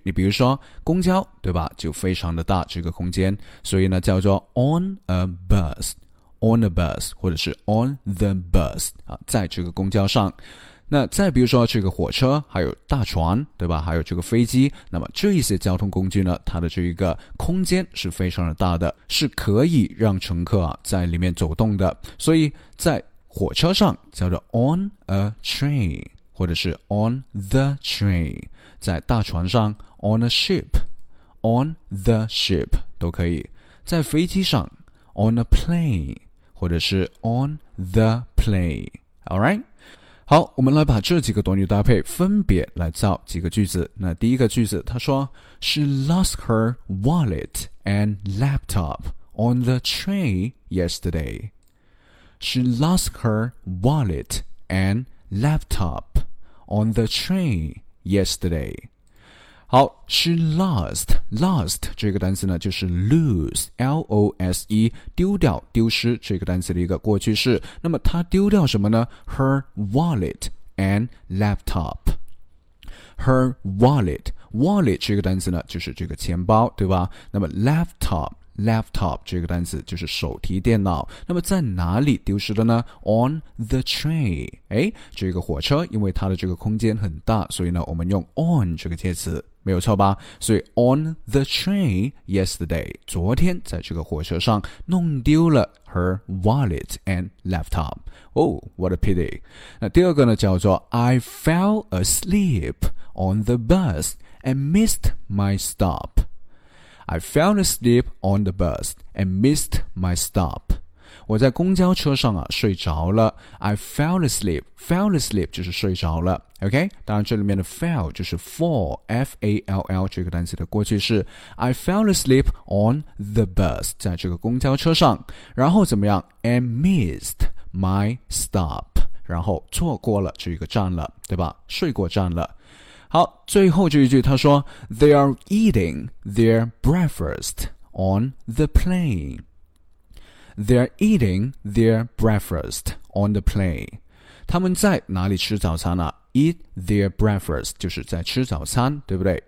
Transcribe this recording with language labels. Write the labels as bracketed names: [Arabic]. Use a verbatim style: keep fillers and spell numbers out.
[Chinese] 你比如说公交，对吧？就非常的大这个空间，所以呢叫做 [English] on a bus, on a bus [Chinese] 或者是 [English] on the bus [Chinese] 啊，在这个公交上。那再比如说这个火车，还有大船，对吧？还有这个飞机，那么这一些交通工具呢，它的这一个空间是非常的大的，是可以让乘客啊在里面走动的。所以在火车上叫做 [English] on a train [Chinese] 或者是 [English] on the train， [Chinese] 在大船上 [English] on a ship， on the ship [Chinese] 都可以。在飞机上 [English] on a plane [Chinese] 或者是 [English] on the plane。 All right? [Chinese] 好，我们来把这几个短语搭配分别来造几个句子。那第一个句子，他说 [English] She lost her wallet and laptop on the train yesterday. She lost her wallet and laptop on the train yesterday. [Chinese] 好 ， [English] she lost lost [Chinese] 这个单词呢，就是 lose l o s e 丢掉、丢失这个单词的一个过去式。那么她丢掉什么呢？ [English] Her wallet and laptop. Her wallet wallet [Chinese] 这个单词呢，就是这个钱包，对吧？那么 laptop laptop 这个单词就是手提电脑。那么在哪里丢失的呢？ [English] On the train， [Chinese] 诶，这个火车因为它的这个空间很大，所以呢我们用 on 这个介词，没有错吧？所以 [English] on the train yesterday， [Chinese] 昨天在这个火车上弄丢了 [English] her wallet and laptop。 Oh, what a pity。 [Chinese] 那第二个呢叫做 [English] I fell asleep on the bus and missed my stop。 I fell asleep on the bus and missed my stop. [Chinese] 我在公交车上啊睡着了。 [English] I fell asleep. Fell asleep [Chinese] 就是睡着了。OK， 当然这里面的 fell 就是 fall, F A L L 这个单词的过去式。 [English] I fell asleep on the bus， [Chinese] 在这个公交车上。然后怎么样 ？ [English] And missed my stop， [Chinese] 然后错过了这个站了，对吧？睡过站了。好，最后这一句他说 [English] They are eating their breakfast on the plane. They are eating their breakfast on the plane. [Chinese] 他们在哪里吃早餐啊？ [English] Eat their breakfast [Chinese] 就是在吃早餐，对不对？